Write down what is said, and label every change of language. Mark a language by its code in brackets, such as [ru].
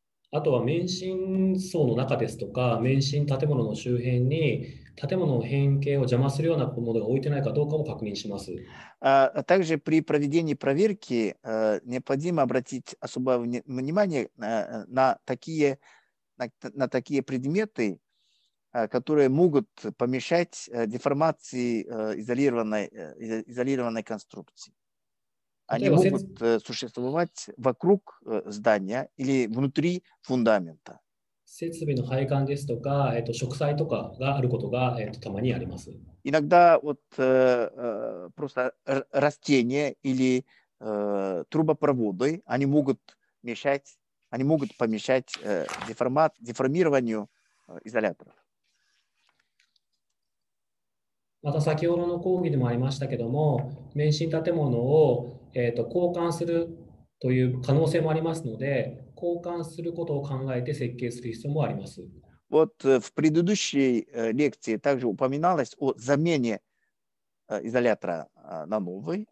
[ru] А то, [ja] 免震層の中ですとか、免震建物の周辺に建物の変形を邪魔するようなものが置いてないかどうかも確認します。 [ru] также при проведении проверки необходимо обратить особое внимание на такие предметы, которые могут помешать деформации изолированной конструкции. Они могут существовать вокруг здания или внутри фундамента. [ja] 設備の配管ですとか、植栽とかがあることが、たまにあります。 [ru] Иногда вот просто растения или трубопроводы, они могут мешать, они могут помешать деформированию изоляторов. [ja] また先ほどの講義でもありましたけども、免震建物を、交換するという可能性もありますので、交換することを考えて設計する必要もあります。 [ru] Вот в предыдущей лекции также упоминалось о замене изолятора на новый.